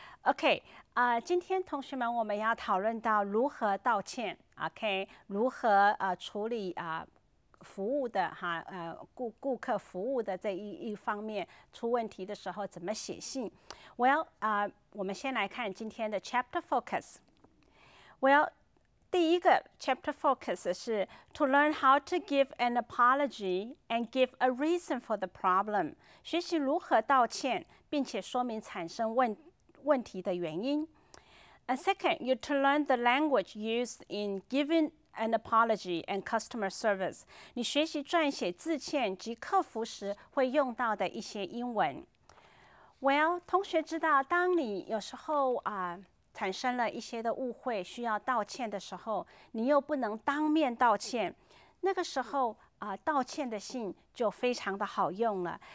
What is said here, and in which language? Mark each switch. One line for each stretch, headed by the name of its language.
Chinese: Okay, 今天同学们我们要讨论到如何道歉 okay, 如何处理服务的哈顾客服务的这一方面出问题的时候怎么写信 Well, 我们先来看今天的 chapter focus.
English: Well,
Chinese: 第一个
English: chapter focus 是 to learn how to give an apology and give a reason for the problem.
Chinese: 学习如何道歉并且说明产生问题的原因。
English: And second, you to learn the language used in givingan apology and customer service.
Chinese: 你学习撰写致歉及客服时会用到的一些英文。 Well, 同学知道当你有时候产生了一些的误会需要道歉的时候你又不能当面道歉。那个时候道歉的信就非常的好用了。